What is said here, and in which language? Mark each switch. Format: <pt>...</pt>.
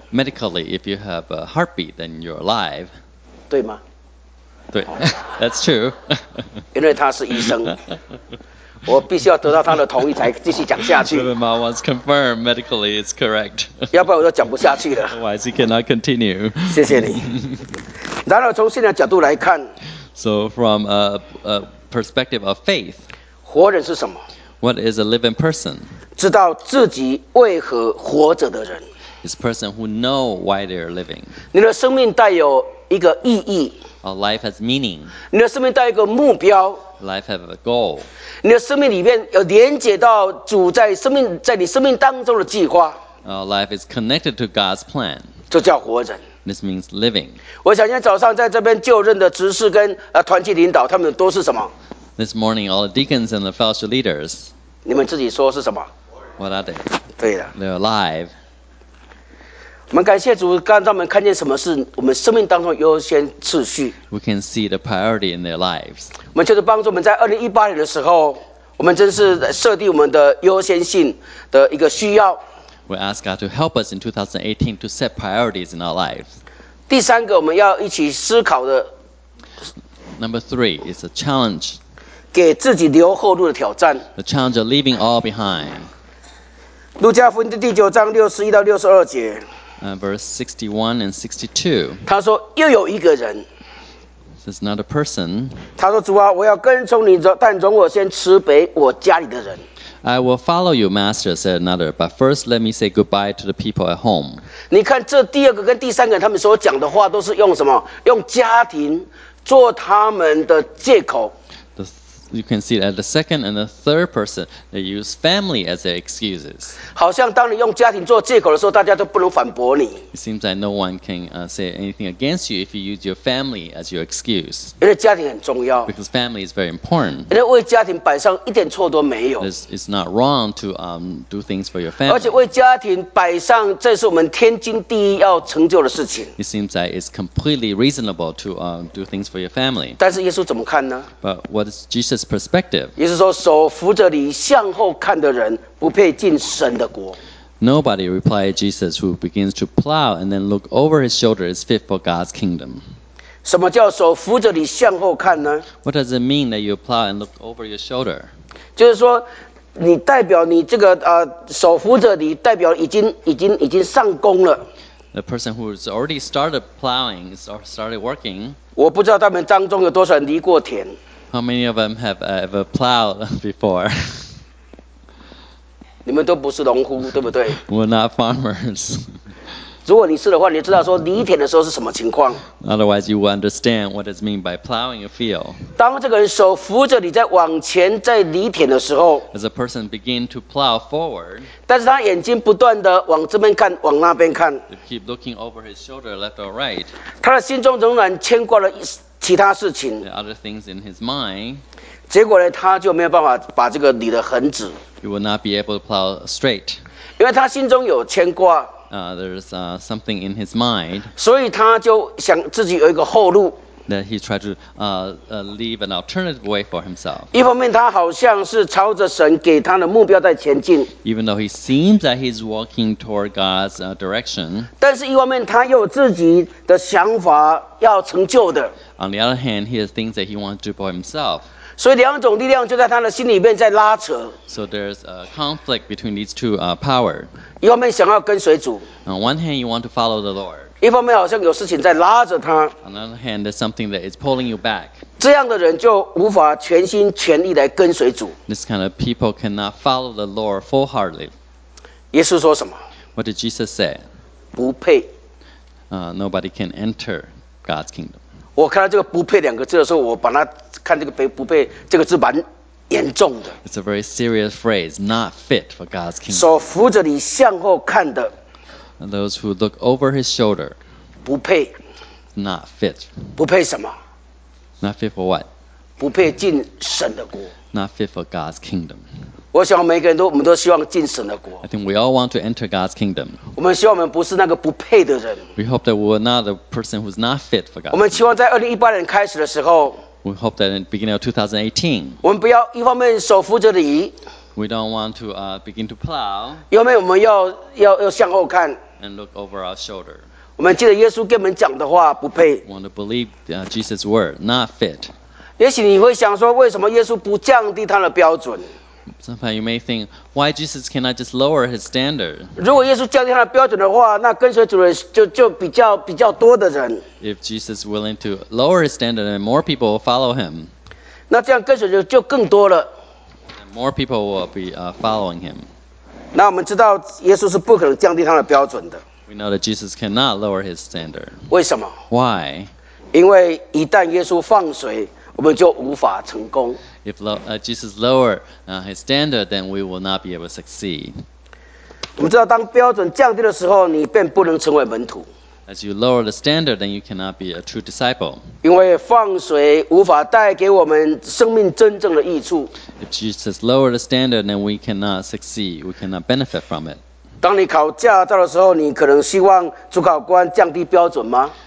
<en>Medically, if you have a heartbeat, then you're alive.</en> <zh>对吗？</zh> <en>对，That's true.</en> <zh>因为他是医生，我必须要得到他的同意才继续讲下去。</zh> <en>My mom wants confirm medically it's correct.</en> <zh>要不然我就讲不下去了。</zh> <en>Otherwise, he cannot continue.</en> <zh>谢谢你。然而从信仰角度来看</zh> <en>，So from a perspective of faith,</en> <zh>活人是什么？</zh> <en>What is a living person?</en> <zh>知道自己为何活着的人。</zh> <en>It's a person who knows why they are living.</en> <zh>你的生命带有一个意义。</zh> <en>Our life has meaning.</en> <zh>你的生命带有一个目标。</zh> <en>Life has a goal.</en> <zh>你的生命里面有连接到主在你生命当中的计划。</zh> <en>Our life is connected to God's plan.</en> <zh>这叫活人。</zh> <en>This means living.</en> <zh>我想今天早上在这边就任的执事跟团契领导，他们都是什么？</zh> <en>This morning, all the deacons and the fellowship leaders.</en> <zh>你们自己说是什么？</zh> <en>What are they?</en> <zh>对的。</zh> <en>They're alive.</en> <zh>我们感谢主，让我们看见什么是我们生命当中优先次序。</zh> <en>We can see the priority in their lives.</en> <zh>我们就是帮助我们在2018年的时候，我们真是设定我们的优先性的一个需要。</zh> <en>We ask God to help us in 2018 to set priorities in our lives.</en> <zh>第三个我们要一起思考的。</zh> <en>Number three is a challenge.</en> <zh>给自己留后路的挑战。</zh> <en>The challenge of leaving all behind.</en> <zh>路加福音的第九章六十一到六十二节。</zh> <en>Verse 61 and 62.</en> <zh>他说又有一个人。</zh> <en>This is not a person.</en> <zh>他说主啊，我要跟从你，但容我先慈悲我家里的人。</zh> <en>I will follow you, Master, said another, but first let me say goodbye to the people at home.</en> <zh>你看这第二个跟第三个人他们所讲的话都是用什么？用家庭做他们的借口。</zh> <en>You can see that the second and the third person, they use family as their excuses.</en> <zh>好像当你用家庭做借口的时候，大家都不能反驳你。</zh> <en>It seems that no one can say anything against you if you use your family as your excuse.</en> <zh>因为家庭很重要。</zh> <en>Because family is very important.</en> <zh>因为为家庭摆上一点错都没有。</zh> <en>It's not wrong to do things for your family.</en> <zh>而且为家庭摆上，这是我们天经地义要成就的事情。</zh> <en>It seems that it's completely reasonable to do things for your family.</en> <zh>但是耶稣怎么看呢？</zh> <en>But what is Jesus? His perspective.</en> <zh>也是说，手扶着你向后看的人，不配进神的国。</zh> <en>Nobody replied Jesus, who begins to plow and then look over his shoulder, is fit for God's kingdom.</en> <zh>什么叫手扶着你向后看呢？</zh> <en>What does it mean that you plow and look over your shoulder?</en> <zh>就是说，你代表你这个手扶着你，代表已经上工了。</zh> <en>The person who has already started plowing is started working.</en> <zh>我不知道他们当中有多少人犁过田。</zh> <en>How many of them have ever plowed before?</en> <zh>你们都不是农夫，对不对？</zh> <en>We're not farmers.</en> <zh>如果你是的话，你知道说犁田的时候是什么情况。</zh> <en>Otherwise, you will understand what it means by plowing a field.</en> <zh>当这个人手扶着你在往前在犁田的时候，</zh> <en>as a person begin to plow forward,</en> <zh>但是他眼睛不断的往这边看，往那边看，</zh> <en>you keep looking over his shoulder left or right.</en> <zh>他的心中仍然牵挂了其他事情，</zh> <en>the other things in his mind,</en> <zh>结果呢，他就没有办法把这个理得很直。</zh> <en>He will not be able to plow straight.</en> <zh>因为他心中有牵挂。</zh> <en>There's something in his mind.</en> <zh>所以他就想自己有一个后路。</zh> <en>That he tried to leave an alternative way for himself.</en> <zh>一方面，他好像是朝着神给他的目标在前进。</zh> <en>Even though he seems that he's walking toward God's direction.</en> <zh>但是一方面，他又有自己的想法要成就的。</zh> <en>On the other hand, he has things that he wants to do for himself.</en> <zh>所以两种力量就在他的心里面在拉扯。</zh> <en>So there's a conflict between these two power.</en> <zh>一方面想要跟随主。</zh> <en>On one hand, you want to follow the Lord.</en> <zh>一方面好像有事情在拉着他。</zh> <en>On the other hand, there's something that is pulling you back.</en> <zh>这样的人就无法全心全意来跟随主。</zh> <en>This kind of people cannot follow the Lord full-heartedly.</en> <zh>耶稣说什么？</zh> <en>What did Jesus say?</en> <zh>不配。</zh> <en>Nobody can enter God's kingdom.</en> <zh>我看到这个不配两个字的时候，我把它看这个不配这个字蛮严重的。</zh> <en>It's a very serious phrase, not fit for God's kingdom.</en> <zh>手扶着你向后看的。</zh> <en>And those who look over his shoulder.</en> <zh>不配。</zh> <en>Not fit.</en> <zh>不配什么？</zh> <en>Not fit for what?</en> <zh>不配进神的国。</zh> <en>Not fit for God's kingdom.</en> <zh>我想每个人都，我们都希望进神的国。</zh> <en>I think we all want to enter God's kingdom.</en> <zh>我们希望我们不是那个不配的人。</zh> <en>We hope that we're not the person who's not fit for God.</en> <zh>我们希望在2018年开始的时候。</zh> <en>We hope that in the beginning of 2018.</en> <zh>我们不要一方面手扶着犁。</zh> <en>We don't want to begin to plow.</en> <zh>一方面我们要向后看。</zh> <en>And look over our shoulder.</en> <zh>我们记得耶稣给我们讲的话，不配。</zh> <en>We want to believe Jesus' word, not fit.</en> <zh>也许你会想说，为什么耶稣不降低他的标准？</zh> <en>Sometimes you may think, why Jesus cannot just lower his standard?</en> <zh>如果耶稣降低他的标准的话，那跟随主人就比较多的人。</zh> <en>If Jesus is willing to lower his standard, then more people will follow him.</en> <zh>那这样跟随主就更多了。</zh> <en>And more people will be following him.</en> <zh>那我们知道耶稣是不可能降低他的标准的。</zh> <en>We know that Jesus cannot lower his standard.</en> <zh>为什么？</zh> <en>Why?</en> <zh>因为一旦耶稣放水。我们就无法成功。</zh> <en>If Jesus lower his standard, then we will not be able to succeed.</en> <zh>我们知道，当标准降低的时候，你便不能成为门徒。</zh> <en>As you lower the standard, then you cannot be a true disciple.</en> <zh>因为放水无法带给我们生命真正的益处。</zh> <en>If Jesus lower the standard, then we cannot succeed. We cannot benefit from it.</en> <zh>当你考驾照的时候，你可能希望主考官降低标准吗？</zh>